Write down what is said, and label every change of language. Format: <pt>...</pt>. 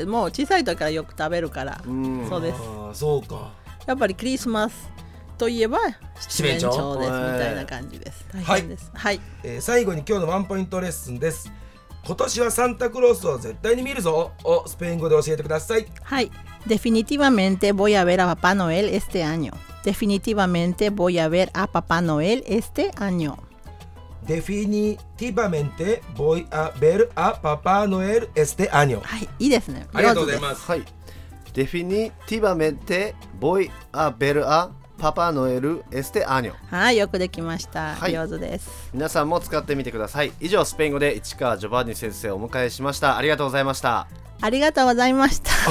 <ja>もう小さい時からよく食べるから。うん、そうです。あ、そうか。やっぱりクリスマスといえば七面鳥ですみたいな感じです。大変です。はい、はい。最後に今日のワンポイントレッスンです。今年はサンタクロースを絶対に見るぞをスペイン語で教えてください。はい。</ja> <es>Definitivamente voy a ver a Papá Noel este año. Definitivamente voy a ver a Papá Noel este año. Definitivamente voy a ver a Papá Noel este año.</es> <ja>はい、いいですね。ありがとうございます。はい。</ja> <es>Definitivamente voy a ver aパパノエルエステアニョ。</es> <ja>はい、よくできました。はい、上手です。皆さんも使ってみてください。以上、スペイン語で市川ジョバンニ先生をお迎えしました。ありがとうございました。ありがとうございました。</ja>